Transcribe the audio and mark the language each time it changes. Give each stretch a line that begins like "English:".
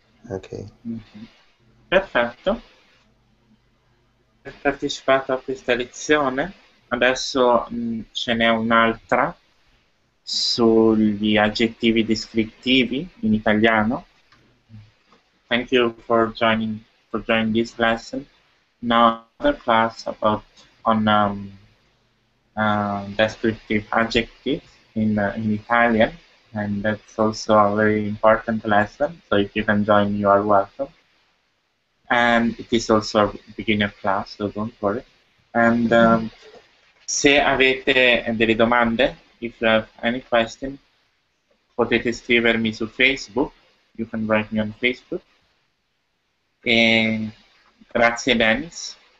Italian: Ok. Perfetto. Hai partecipato a questa lezione, adesso ce n'è un'altra. Sugli aggettivi descrittivi in italiano.
English: Thank you for joining this lesson. Now another class on descriptive adjectives in Italian, and that's also a very important lesson. So if you can join, you are welcome. And it is also a beginner class, so don't worry.
Italian: And se avete delle domande.
English: If you have any question,
Italian: potete scrivermi su Facebook.
English: You can write me on Facebook.
Italian: E grazie,
English: Dennis.